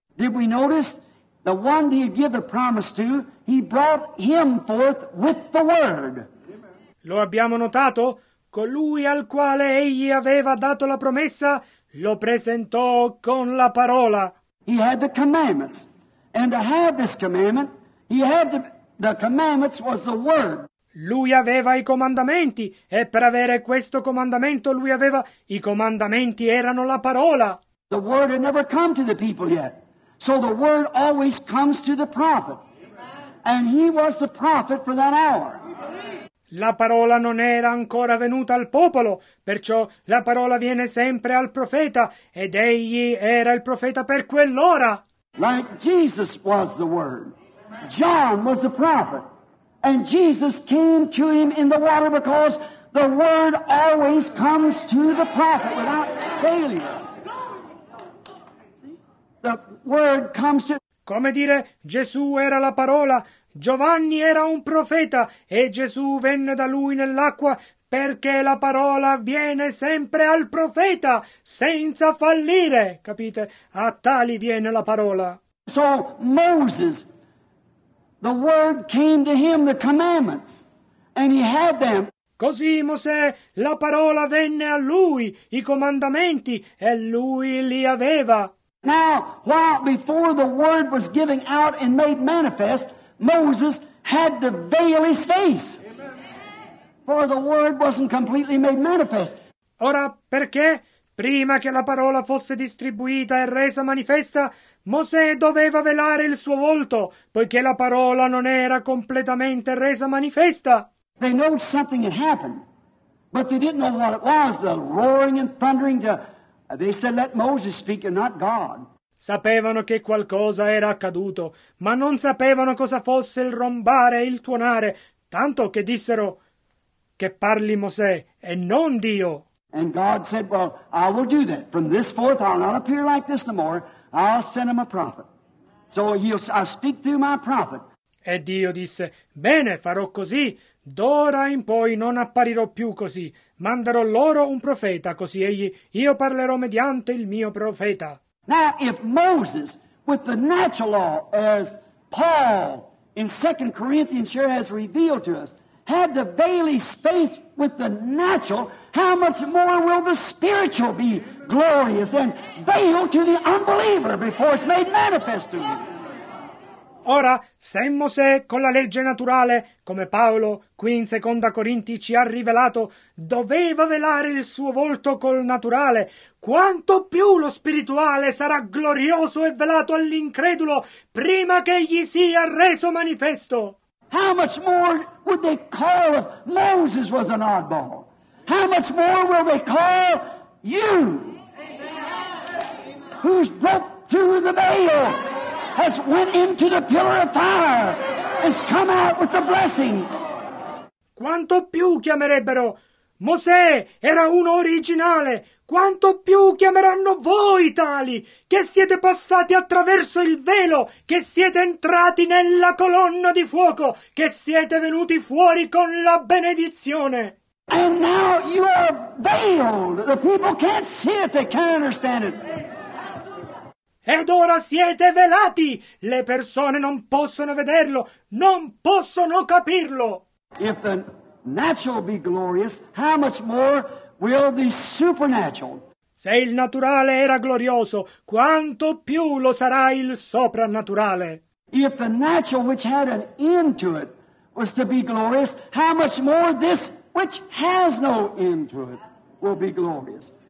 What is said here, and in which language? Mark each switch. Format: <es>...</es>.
<en>Did we notice the one he had given the promise to, he brought him forth with the word.</en> <it>Lo abbiamo notato? Colui al quale egli aveva dato la promessa lo presentò con la parola.</it> <en>He had the commandments, and to have this commandment, he had the commandments was the word.</en> <it>Lui aveva i comandamenti, e per avere questo comandamento lui aveva i comandamenti erano la parola.</it> <en>The word had never come to the people yet, so the word always comes to the prophet, and he was the prophet for that hour.</en> <it>La parola non era ancora venuta al popolo, perciò la parola viene sempre al profeta, ed egli era il profeta per quell'ora.</it> <en>Like Jesus was the word. John was the prophet. And Jesus came to him in the water because the word always comes to the prophet without failure. See? the word comes to...</en> <it>Come dire, Gesù era la parola, Giovanni era un profeta, e Gesù venne da lui nell'acqua, perché la parola viene sempre al profeta, senza fallire, capite? A tali viene la parola.</it> <en>So Moses, the word came to him, the commandments, and he had them.</en> <it>Così Mosè, la parola venne a lui, i comandamenti, e lui li aveva.</it> <en>Now, while before the word was given out and made manifest, Moses had to veil his face. For the word wasn't completely made manifest.</en> <it>Ora, perché? Prima che la parola fosse distribuita e resa manifesta, Mosè doveva velare il suo volto, poiché la parola non era completamente resa manifesta.</it> <en>They know something had happened, but they didn't know what it was, the roaring and thundering to... They said, let Moses speak and not God.</en> <it>Sapevano che qualcosa era accaduto, ma non sapevano cosa fosse il rombare e il tuonare, tanto che dissero, che parli Mosè e non Dio.</it> <en>And God said, well, I will do that. From this forth, I'll not appear like this no more. I'll send him a prophet. So I'll speak through my prophet.</en> <it>E Dio disse, bene, farò così. D'ora in poi non apparirò più così. Manderò loro un profeta, così egli, io parlerò mediante il mio profeta.</it> <en>Now, if Moses, with the natural law, as Paul in 2 Corinthians sure has revealed to us, had the veil his faith with the natural, how much more will the spiritual be glorious and veiled to the unbeliever before it's made manifest to him?</en> <it>Ora, se Mosè con la legge naturale, come Paolo qui in Seconda Corinti ci ha rivelato, doveva velare il suo volto col naturale, quanto più lo spirituale sarà glorioso e velato all'incredulo prima che egli sia reso manifesto.</it> <en>How much more would they call if Moses was an oddball? How much more will they call you? Who's broke through the veil? Has went into the pillar of fire, has come out with the blessing.</en> <it>Quanto più chiamerebbero Mosè era uno originale, quanto più chiameranno voi tali che siete passati attraverso il velo, che siete entrati nella colonna di fuoco, che siete venuti fuori con la benedizione.</it> <en>And now you are veiled. The people can't see it, they can't understand it.</en> <it>Ed ora siete velati! Le persone non possono vederlo, non possono capirlo!</it> <en>If the natural be glorious, how much more will the supernatural?</en> <it>Se il naturale era glorioso, quanto più lo sarà il soprannaturale?</it> <en>If the natural which had an end to it was to be glorious, how much more this which has no end to it will be glorious?</en>